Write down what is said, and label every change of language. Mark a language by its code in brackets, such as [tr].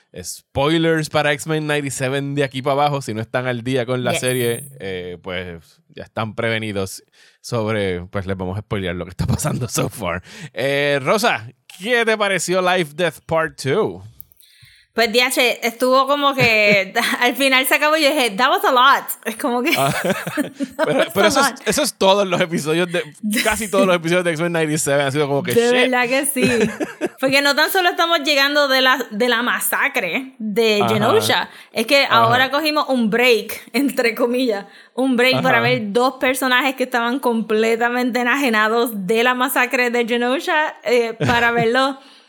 [es] Spoilers para X-Men 97 de aquí para abajo. Si no están al día con la serie, pues ya están prevenidos sobre... Pues les vamos a spoilear lo que está pasando [en] so far. [es] Rosa, ¿qué te pareció Life Death Part 2? Pues, diache, estuvo como que... al final se acabó y yo dije, [en] that was a lot. [es] Es como que... pero eso es todos los episodios de... Casi todos los episodios de X-Men 97 han sido como que de shit. De verdad que sí. Porque no tan solo estamos llegando de la masacre de Genosha. Es que ahora cogimos un break, entre comillas. Un break para ver dos personajes que estaban completamente enajenados de la masacre de Genosha. Para verlo...